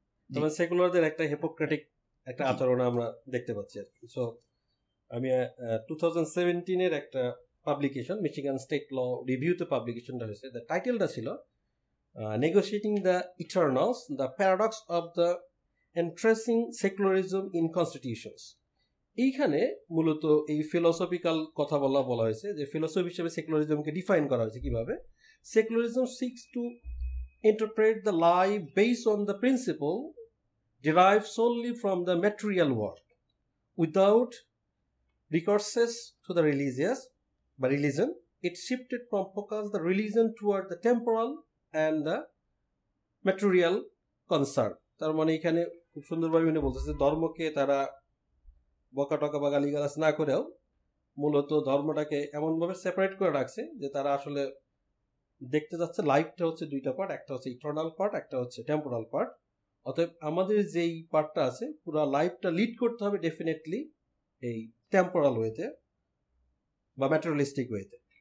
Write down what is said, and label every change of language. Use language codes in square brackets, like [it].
[bn] যেমন সেকুলারদের একটা হিপোক্রেটিক একটা আচরণ আমরা দেখতে পাচ্ছি আর কি। সো আমি 2017 একটা পাবলিকেশন, মিশিগান স্টেট ল রিভিউতে পাবলিকেশনটা হয়েছে, দ্য টাইটেলটা ছিল [en] Negotiating the eternals the paradox of the entrenching secularism in constitutions. [bn] এইখানে মূলত এই ফিলোসফিক্যাল কথা বলা হয়েছে যে ফিলোসফি হিসেবে সেকুলারিজমকে ডিফাইন করা হয়েছে কিভাবে, secularism six two [en] interpret the lie based on the principle derived solely from the material world without recourse to the religious, but religion, it shifted from focus the religion toward the temporal and the material concern. [bn] তার মানে এখানে খুব সুন্দরভাবে উনি বলতেছে ধর্মকে তারা বকাটকা বা গালিগালাজ না করেও মূলত ধর্মটাকে এমনভাবে সেপারেট করে রাখছে যে তারা আসলে দেখতে যাচ্ছে লাইফটা হচ্ছে দুইটা পার্ট, একটা হচ্ছে ইটার্নাল পার্ট, একটা হচ্ছে টেম্পোরাল পার্ট। অতএব আমাদের যেই পার্টটা আছে পুরো লাইফটা লিড করতে হবে ডেফিনেটলি এই টেম্পোরাল ওয়েতে বা ম্যাটেরিয়ালিস্টিক ওয়েতে।